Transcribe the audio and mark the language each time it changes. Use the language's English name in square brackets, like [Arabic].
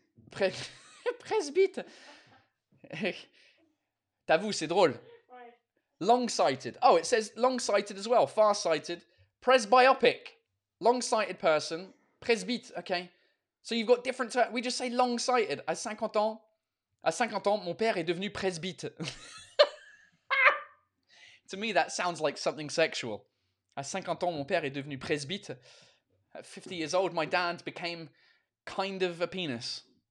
[French] Presbyte. T'avoue, c'est drôle. Long-sighted. [English] Oh, it says long-sighted as well. Far-sighted. Presbyopic. Long-sighted person. Presbyte. Okay. So you've got different terms. We just say long-sighted. [French] À 50 ans, mon père est devenu presbyte. [English] To me, that sounds like something sexual. [French] À 50 ans, mon père est devenu presbyte. [English] At 50 years old, my dad became kind of a penis.